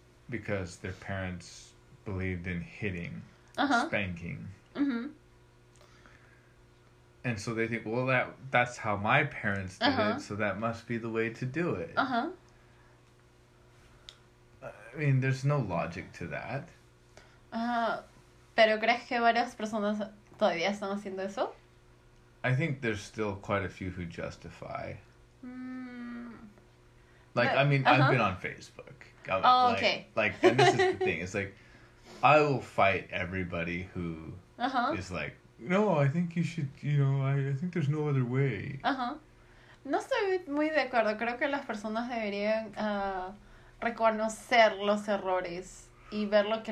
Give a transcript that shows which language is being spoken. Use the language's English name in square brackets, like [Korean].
[English] Because their parents believed in hitting. Uh-huh. Spanking. Mm-hmm. And so they think, well, that's how my parents did uh-huh. it, so that must be the way to do it. Uh-huh. I mean, there's no logic to that. [Spanish] ¿Pero crees que varias personas todavía están haciendo eso? [English] I think there's still quite a few who justify. Mm. Like, but, I mean, uh-huh. I've been on Facebook. Oh, like, okay. Like, and this is the thing. It's like, I will fight everybody who uh-huh. is like, no, I think you should, you know, I think there's no other way. [Spanish] Ajá. No estoy muy de acuerdo. Creo que las personas deberían reconocer los errores y ver lo que